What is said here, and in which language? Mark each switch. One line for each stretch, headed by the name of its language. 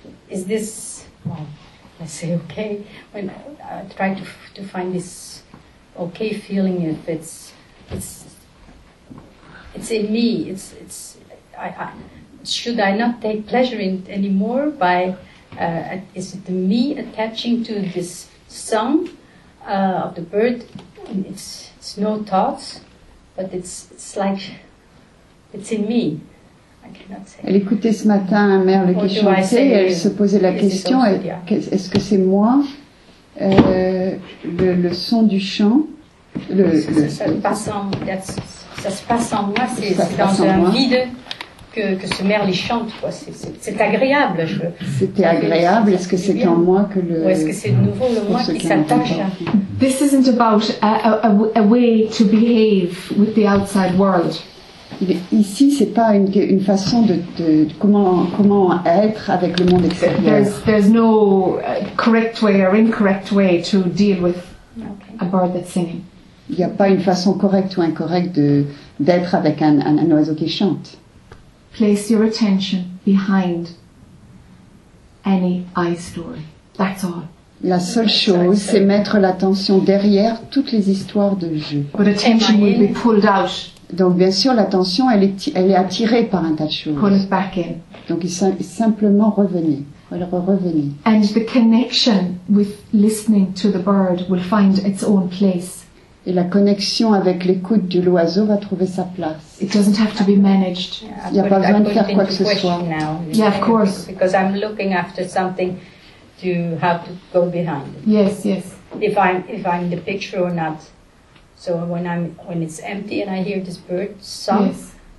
English: Is this, well, let's say, okay, when I try to find this okay feeling, if it's in me, it's, I should I not take pleasure in it anymore by, is it the me attaching to this song of the bird? It's no thoughts, but it's like, it's in me.
French: Elle écoutait ce matin un merle qui chantait et elle se posait la question, est-ce que c'est moi, le son du chant, ça se passe en moi, c'est dans un vide que ce merle chante, quoi. C'est agréable. C'était agréable, est-ce que c'est en moi que le... Ou est-ce que c'est de nouveau le moi qui s'attache à...
English: This isn't about a way to behave with the outside world.
French: Ici, c'est pas une façon de comment être avec le monde extérieur.
English: There's no correct way or incorrect way to deal with a bird that's singing.
French: Il n'y a pas une façon correcte ou incorrecte de, d'être avec un oiseau qui chante.
English: Place your attention behind any eye story. That's all.
French: La seule chose, c'est mettre l'attention derrière toutes les histoires de jeu.
English: But attention will be pulled out.
French: Donc bien sûr, l'attention, elle est attirée par un tas de choses.
English: Pull it back in.
French: Donc simplement revenez. Revenez.
English: And the connection with listening to the bird will find its own place.
French: Et la connexion avec l'écoute de l'oiseau va trouver sa place.
English: It doesn't have to be managed.
French: Il n'y a pas besoin de faire quoi que ce soit.
English: Yeah, of course. Because I'm looking after something to have to go behind. Yes, yes. If I'm the picture or not. So when it's empty and I hear this bird song, yes.